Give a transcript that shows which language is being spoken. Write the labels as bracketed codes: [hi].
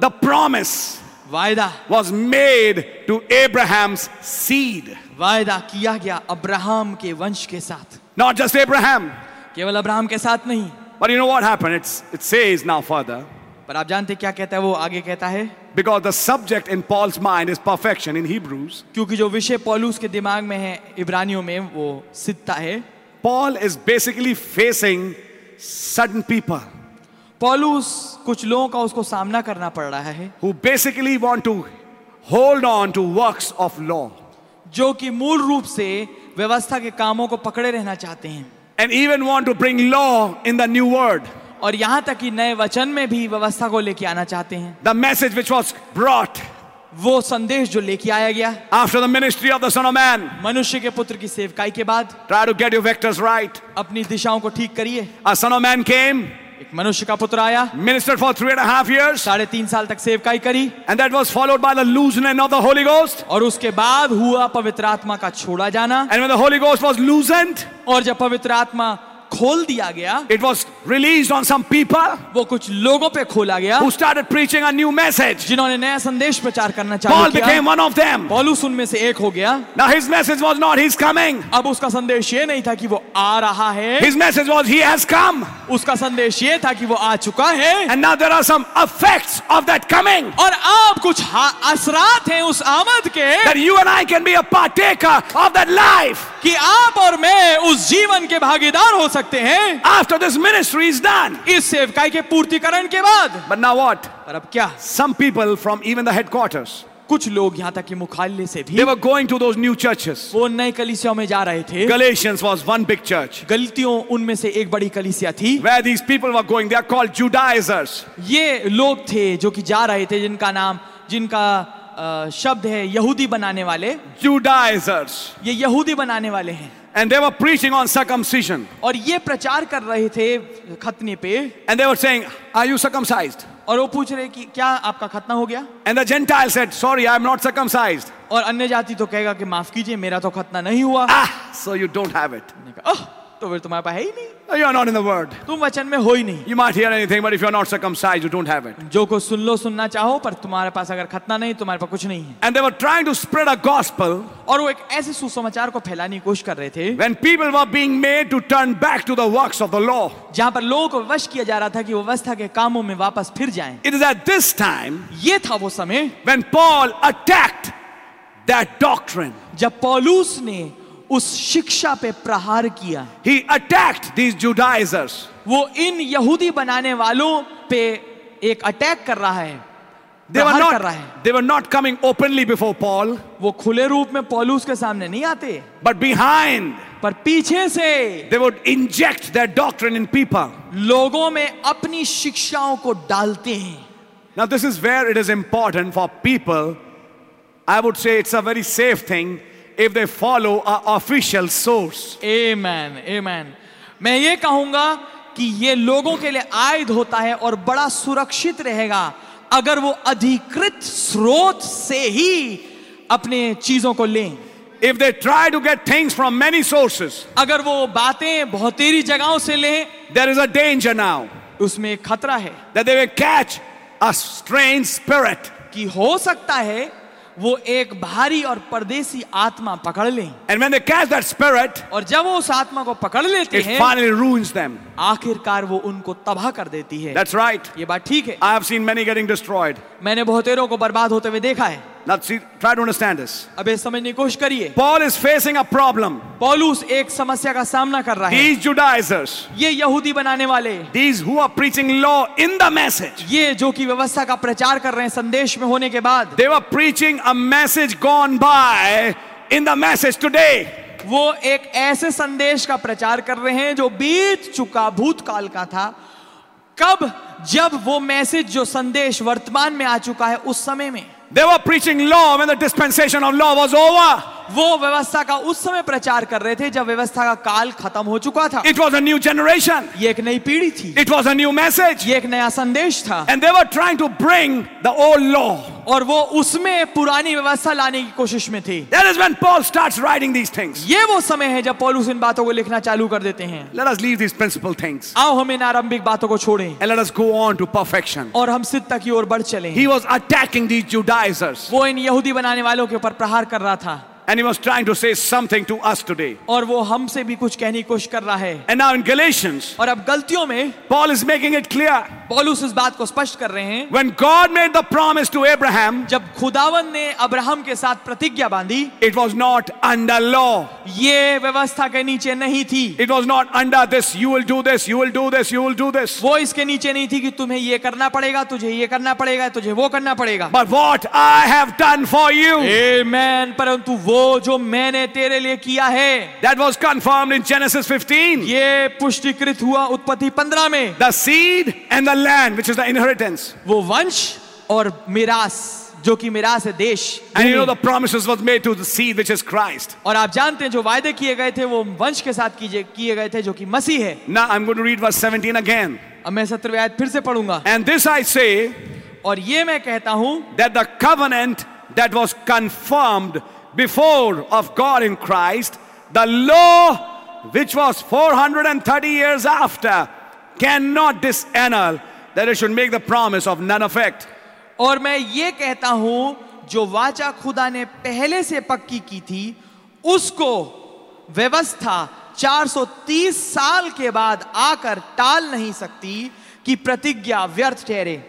[en] The promise, [hi] वायदा, [en] was made to Abraham's seed. [hi] वायदा किया गया अब्राहम के वंश के साथ. [en] Not just Abraham. [hi] केवल अब्राहम के साथ नहीं. [en] But you know what happened? It says now further. [hi] पर आप जानते क्या कहता है? वो आगे कहता है. [en] Because the subject in Paul's mind is perfection in Hebrews. [hi] क्योंकि जो विषय पौलुस के दिमाग में है इब्रानियों में वो सिद्धता है. [en] Paul is basically facing certain people. [hi] पौलुस कुछ लोगों का उसको सामना करना पड़ रहा है. [en] Who basically want to hold on to works of law. [hi] जो कि मूल रूप से व्यवस्था के कामों को पकड़े रहना चाहते हैं. [en] And even want to bring law in the new word. [hi] और यहां तक कि नए वचन में भी व्यवस्था को लेके आना चाहते हैं. [en] The message which was brought. [hi] वो संदेश जो लेके आया गया. [en] After the ministry of the Son of Man. [hi] मनुष्य के पुत्र की सेवकाई के बाद. [en] Try to get your vectors right. [hi] अपनी दिशाओं को ठीक करिए. [en] A Son of Man came. [hi] एक मनुष्य का पुत्र आया. [en] Ministered for 3.5 years. [hi] 3.5 साल तक सेवकाई करी. [en] And that was followed by the loosening of the Holy Ghost. [hi] और उसके बाद हुआ पवित्र आत्मा का छोड़ा जाना. [en] And when the Holy Ghost was loosened. [hi] और जब पवित्र आत्मा खोल दिया गया. [en] It was released on some people. [hi] वो कुछ लोगों पे खोला गया. [en] Who started preaching a new message. [hi] जिन्होंने नया संदेश प्रचार करना चालू किया. [en] Paul became one of them. [hi] पौलुस उनमें से एक हो गया. [en] Now his message was not he's coming. [hi] अब उसका संदेश ये नहीं था कि वो आ रहा है. [en] His message was he has come. [hi] उसका संदेश ये था कि वो आ चुका है. [en] And now there are some effects of that coming. [hi] और अब कुछ असरात हैं उस आमद के. [en] That you and I can be a partaker of that life. [hi] कि आप और मैं उस जीवन के भागीदार हो सकते हैं. [en] After this ministry is done. [hi] इस सेवकाई के पूर्तिकरण के बाद. [en] But now what? [hi] पर अब क्या? [en] Some people from even the headquarters. [hi] कुछ लोग यहां तक कि मुखालले से भी [en] they were going to those new churches. [hi] वो नए कलीसियाओं में जा रहे थे. [en] Galatians was one big church. [hi] गलतियों उनमें से एक बड़ी कलीसिया थी. [en] Where these people were going, they are called Judaizers. [hi] ये लोग थे जो कि जा रहे थे, जिनका नाम, जिनका शब्द है यहूदी बनाने वाले. [en] Judaizers. [hi] ये यहूदी बनाने वाले हैं. [en] And they were preaching on circumcision. [hi] और ये प्रचार कर रहे थे खतने पे. [en] And they were saying, "Are you circumcised?" [hi] और वो पूछ रहे कि क्या आपका खतना हो गया? [en] And the Gentile said, "Sorry, I am not circumcised." [hi] और अन्य जाति तो कहेगा कि माफ कीजिए, मेरा तो खतना नहीं हुआ. [en] Ah, so you don't have it. [hi] Oh, तो फिर तुम्हारे पास है ही नहीं. [en] You are not in the word. [hi] तुम वचन में हो ही नहीं. [en] You might hear anything, but if you are not circumcised, you don't have it. [hi] जो को सुन लो, सुनना चाहो, पर तुम्हारे पास अगर खतना नहीं, तुम्हारे पास कुछ नहीं है. [en] And they were trying to spread a gospel. [hi] और वो एक ऐसे सुसमाचार को फैलाने की कोशिश कर रहे थे. [en] When people were being made to turn back to the works of the law. [hi] जहाँ पर लोगों को वश किया जा रहा था कि वो व्यवस्था के कामों में वापस फिर जाएं. [en] It is at this time. [hi] ये था वो समय. [en] When Paul attacked that doctrine. [hi] जब पौलुस ने उस शिक्षा पे प्रहार किया. [en] He attacked these Judaizers. [hi] वो इन यहूदी बनाने वालों पे एक अटैक कर रहा है. [en] They were not coming openly before Paul. [hi] वो खुले रूप में पौलुस के सामने नहीं आते. [en] But behind. [hi] पर पीछे से. [en] They would inject their doctrine in people. [hi] लोगों में अपनी शिक्षाओं को डालते हैं. [en] Now this is where it is important for people. I would say it's a very safe thing. If they follow our official source. Amen, amen. [hi] मैं ये कहूंगा कि ये लोगों के लिए आयद होता है और बड़ा सुरक्षित रहेगा अगर वो अधिकृत स्रोत से ही अपने चीजों को लें. [en] If they try to get things from many sources. [hi] अगर वो बातें बहुतेरी जगहों से लें. [en] There is a danger now. [hi] उसमें खतरा है. [en] That they will catch a strange spirit. [hi] कि हो सकता है वो एक भारी और परदेशी आत्मा पकड़ लें. [en] And when they catch that spirit, [hi] और जब वो उस आत्मा को पकड़ लेते हैं, [en] it finally ruins them. [hi] आखिरकार वो उनको तबाह कर देती है. [en] That's right. [hi] ये बात ठीक है. [en] I have seen many getting destroyed. [hi] मैंने बहुतेरों को बर्बाद होते हुए देखा है. [en] Now see, try to understand this. [hi] अब ये समझने की कोशिश करिए. [en] Paul is facing a problem. [hi] पौलुस एक समस्या का सामना कर रहा है. [en] These Judaizers. [hi] ये यहूदी बनाने वाले. [en] These who are preaching law in the message. [hi] ये जो कि व्यवस्था का प्रचार कर रहे हैं संदेश में होने के बाद. [en] They were preaching a message gone by in the message today. [hi] वो एक ऐसे संदेश का प्रचार कर रहे हैं जो बीत चुका भूतकाल का था. कब? जब वो मैसेज जो संदेश वर्तमान में आ चुका है उस समय में. [en] They were preaching law when the dispensation of law was over. [hi] वो व्यवस्था का उस समय प्रचार कर रहे थे जब व्यवस्था का काल खत्म हो चुका था. [en] It was a new generation. [hi] ये एक नई पीढ़ी थी. [en] It was a new message. [hi] ये एक नया संदेश था. [en] And they were trying to bring the old law. [hi] और वो उसमें पुरानी व्यवस्था लाने की कोशिश में थे. [en] That is when Paul starts writing these things. [hi] ये वो समय है जब पौलुस इन बातों को लिखना चालू कर देते हैं. [en] Let us leave these principal things. [hi] आओ हम इन आरंभिक बातों को छोड़ें. [en] And let us go on to perfection. [hi] और हम सिद्धता की ओर बढ़ चलें. [en] He was attacking these Judaizers. [hi] वो इन यहूदी बनाने वालों के ऊपर प्रहार कर रहा था. [en] And he was trying to say something to us today. [hi] और वो हमसे भी कुछ कहने की कोशिश कर रहा है. [en] And now in Galatians. [hi] और अब गलतियों में. [en] Paul is making it clear. [hi] पौलुस इस बात को स्पष्ट कर रहे हैं. [en] When God made the promise to Abraham. [hi] जब खुदावन ने अब्राहम के साथ प्रतिज्ञा बांधी. [en] It was not under law. [hi] ये व्यवस्था के नीचे नहीं थी. [en] It was not under this. You will do this. You will do this. You will do this. [hi] वो इसके नीचे नहीं थी कि तुम्हें ये करना पड़ेगा, तुझे ये करना पड़ेगा, तुझे वो करना पड़ेगा. [en] But what I have done for you. Amen. [hi] परंतु वो जो मैंने तेरे लिए किया है. [en] That was confirmed in Genesis 15. [hi] ये पुष्टिकृत हुआ उत्पत्ति 15 में. [en] The seed and the land, which is the inheritance. [hi] वो वंश और मिरास, जो कि मिरास है देश. [en] And you know the promises was made to the seed, which is Christ. [hi] और आप जानते हैं जो वायदे किए गए थे वो वंश के साथ किए गए थे, जो कि मसीह है. [en] Now I'm going to read verse 17 again. [hi] अब मैं 17वीं आयत फिर से पढ़ूंगा. [en] And this I say. [hi] और ये मैं कहता हूं. [en] That the covenant that was confirmed before of God in Christ, the law which was 430 years after, cannot disannul, that it should make the promise of none effect. [hi] और मैं ये कहता हूं जो वाचा खुदा ने पहले से पक्की की थी उसको व्यवस्था 430 साल के बाद आकर टाल नहीं सकती कि प्रतिज्ञा व्यर्थ ठहरे.